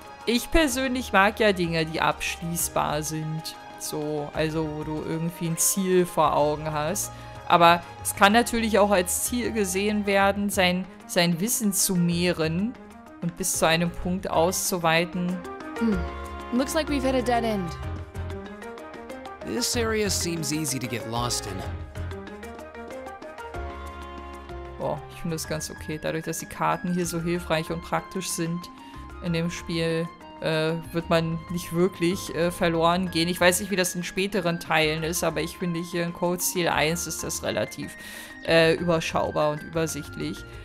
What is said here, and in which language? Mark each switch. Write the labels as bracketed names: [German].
[German] Ich persönlich mag ja Dinge, die abschließbar sind. So, also wo du irgendwie ein Ziel vor Augen hast. Aber es kann natürlich auch als Ziel gesehen werden, sein Wissen zu mehren und bis zu einem Punkt auszuweiten. [English] Looks like we've hit a dead end. This area seems easy to get lost in. [German] Boah, ich finde das ganz okay. Dadurch, dass die Karten hier so hilfreich und praktisch sind in dem Spiel, wird man nicht wirklich verloren gehen. Ich weiß nicht, wie das in späteren Teilen ist, aber ich finde hier in Code Steel 1 ist das relativ überschaubar und übersichtlich.